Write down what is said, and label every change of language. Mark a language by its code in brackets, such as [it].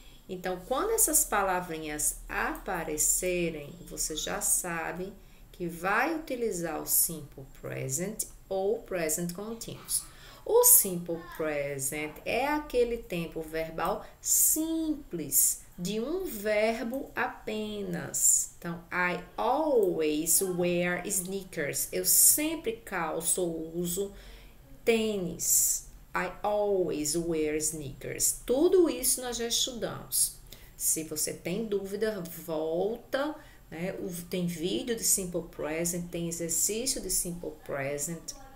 [pt] Então, quando essas palavrinhas aparecerem, você já sabe que vai utilizar o simple present ou present continuous. O simple present é aquele tempo verbal simples de um verbo apenas. [en] Então, I always wear sneakers. [pt] Eu sempre calço ou uso tênis. [en] I always wear sneakers. [pt] Tudo isso nós já estudamos. Se você tem dúvida, volta, né? Tem vídeo de simple present, tem exercício de simple present.